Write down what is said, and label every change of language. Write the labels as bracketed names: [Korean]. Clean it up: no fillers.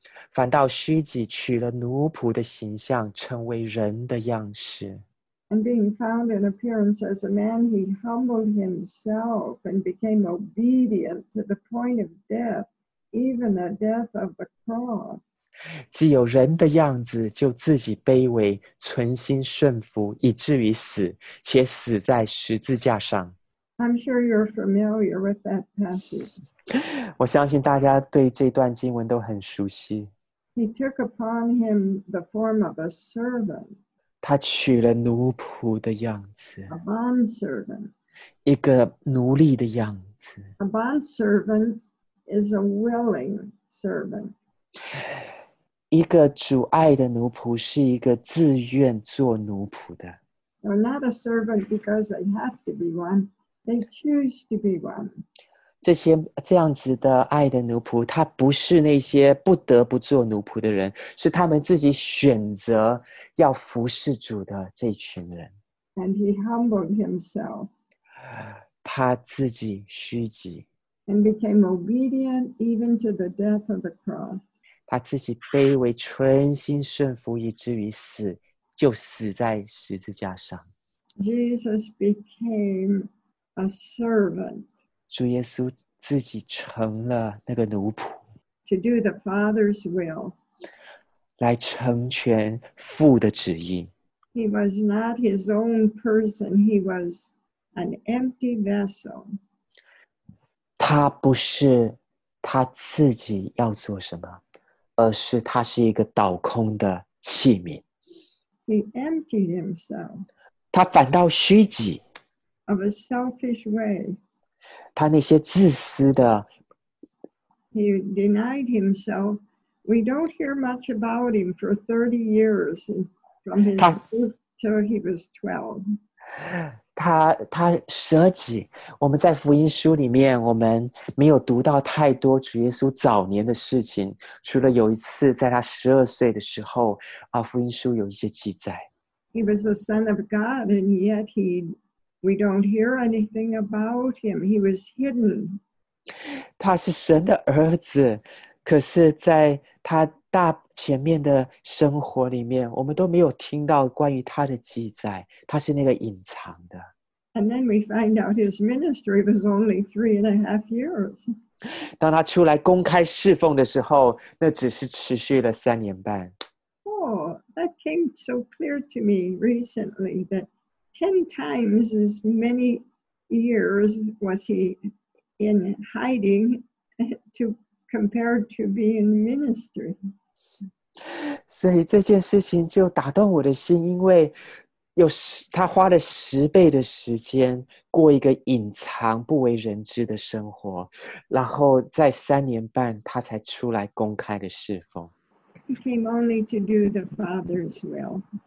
[Chinese] 反倒虚己，取了奴仆的形象，成为人的样式。 [English] And being found in appearance as a man, he humbled himself and became obedient to the point of death, even the death of the cross. [Chinese] 既有人的样子，就自己卑微，存心顺服，以至于死，且死在十字架上。 [English] I'm sure you're familiar with that passage. [Chinese] 我相信大家对这段经文都很熟悉。 [English] He took upon him the form of a servant. [Chinese] 他取了奴仆的样子。 [English] A bondservant. [Chinese] 一个奴隶的样子。 [English] A bondservant is a willing servant. [Chinese] 一个主爱的奴仆是一个自愿做奴仆的。 [English] They're not a servant because they have to be one. They choose to be one. [Chinese] 这样子的爱的奴仆，他不是那些不得不做奴仆的人，是他们自己选择要服侍主的这群人。 [English] And he humbled himself. [Chinese] 他自己虚己。 [English] And became obedient even to the death of the cross. [Chinese] 他自己卑微，存心顺服，以至于死，就死在十字架上。 [English] Jesus became a servant. [Chinese] 主耶稣自己成了那个奴仆。 [English] To do the Father's will. [Chinese] 来成全父的旨意。 [English] He was not his own person. He was an empty vessel. [Chinese] 他不是他自己要做什么，而是他是一个倒空的器皿。 [English] He emptied himself. [Chinese] 他反倒虚己。 [English] Of a selfish way. [Chinese] 他那些自私的。 [English] He denied himself. We don't hear much about him for 30 years from his youth till he was 12. [Chinese] 他舍己。我们在福音书里面，我们没有读到太多主耶稣早年的事情，除了有一次在他十二岁的时候，福音书有一些记载。 [English] He was the Son of God, and yet we don't hear anything about him. He was hidden. [Chinese] 他是神的儿子，可是在他大前面的生活里面，我们都没有听到关于他的记载，他是那个隐藏的。 [English] And then we find out his ministry was only 3.5 years. [Chinese] 当他出来公开侍奉的时候，那只是持续了三年半。 [English] Oh, that came so clear to me recently that 10 times as many years was he in hiding to compared to being in ministry. [Chinese] 所以这件事情就打动我的心，因为他花了10倍的时间过一个隐藏不为人知的生活，然后在3年半他才出来公开的侍奉。 [English] He came only to do the Father's will.